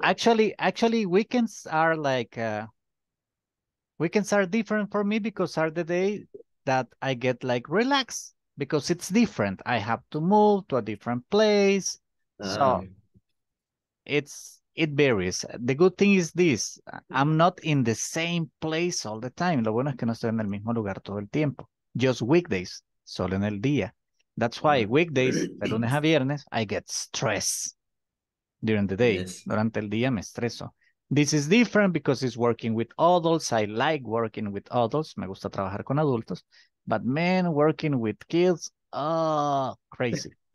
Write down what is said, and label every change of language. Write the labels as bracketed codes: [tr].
[en] actually, weekends are like weekends are different for me because are the day that I get like relaxed because it's different. I have to move to a different place. So it varies. The good thing is this, I'm not in the same place all the time. [es] Lo bueno es que no estoy en el mismo lugar todo el tiempo. [en] Just weekdays, [es] solo en el día. [en] That's why weekdays, [es] de lunes a viernes, [en] I get stressed during the day. Yes. [es] Durante el día me estreso. [en] This is different because it's working with adults. I like working with adults. [es] Me gusta trabajar con adultos. [en] But man, working with kids, oh, crazy.